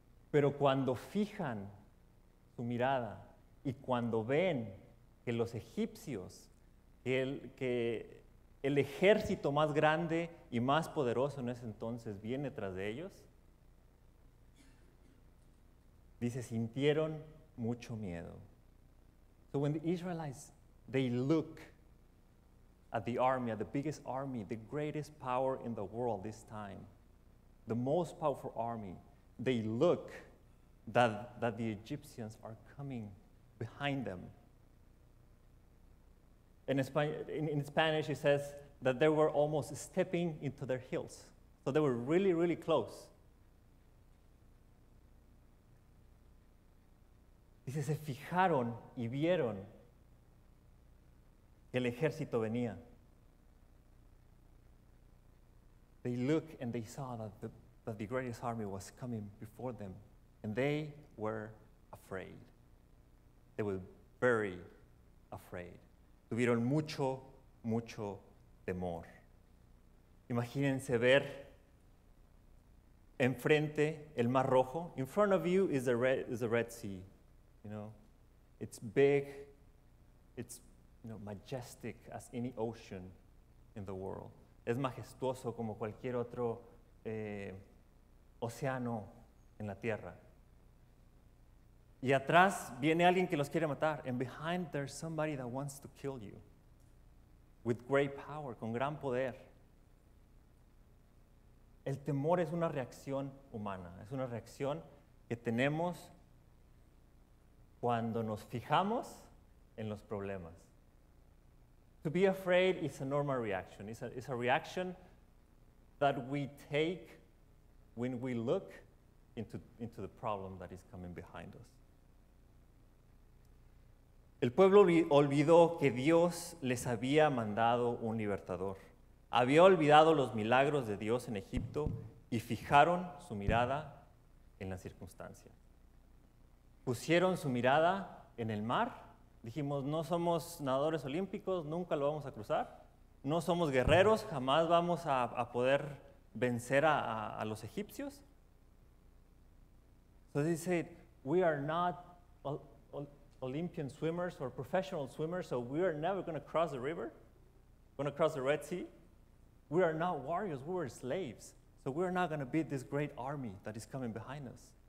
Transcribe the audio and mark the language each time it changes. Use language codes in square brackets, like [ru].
[es] Pero cuando fijan su mirada y cuando ven que los egipcios, que el ejército más grande y más poderoso en ese entonces viene tras de ellos, dice, sintieron mucho miedo. [en] So when the Israelites, they look at the army, at the biggest army, the greatest power in the world this time, the most powerful army, they look that the Egyptians are coming behind them. In Spanish, it says that they were almost stepping into their heels. So they were really, really close. [es] Dice, se fijaron y vieron que el ejército venía. [en] They look and they saw that the greatest army was coming before them, and they were afraid. They were very afraid. [es] Tuvieron mucho, mucho temor. Imagínense ver enfrente el Mar Rojo. [en] In front of you is the Red Sea. You know, it's big, it's, you know, majestic as any ocean in the world. [es] Es majestuoso como cualquier otro océano en la tierra. Y atrás viene alguien que los quiere matar. [en] And behind there's somebody that wants to kill you. With great power, [es] con gran poder. El temor es una reacción humana. Es una reacción que tenemos cuando nos fijamos en los problemas. [en] To be afraid is a normal reaction. It's a reaction that we take when we look into the problem that is coming behind us. [es] El pueblo olvidó que Dios les había mandado un libertador. Había olvidado los milagros de Dios en Egipto y fijaron su mirada en la circunstancia. Pusieron su mirada en el mar. Dijimos, no somos nadadores olímpicos, nunca lo vamos a cruzar. No somos guerreros, jamás vamos a poder vencer a los egipcios. [en] So they said, we are not Olympian swimmers or professional swimmers, so we are never going to cross the river, going to cross the Red Sea. We are not warriors, we were slaves. So we are not going to beat this great army that is coming behind us.